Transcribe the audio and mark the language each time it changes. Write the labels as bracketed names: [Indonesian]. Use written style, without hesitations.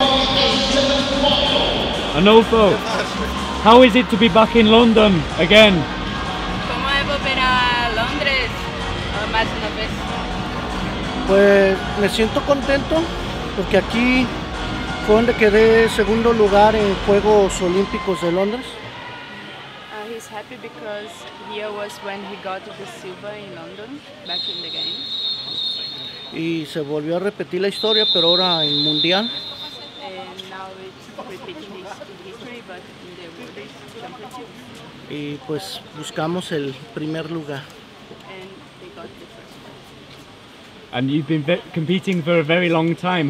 [English] Arnulfo, how is it to be back in London again? [Spanish] ¿Cómo es volver a Londres más una vez? Pues me siento contento porque aquí fue donde quedé segundo lugar en Juegos Olímpicos de Londres. [English] He's happy because here was when he got the silver in London, back in the Games. [Spanish] Y se volvió a repetir la historia, pero ahora en Mundial. [English] And now it's repeating history, but in the World Championships. [Spanish] Y pues buscamos el primer lugar. [English] And he got the first one. And you've been competing for a very long time.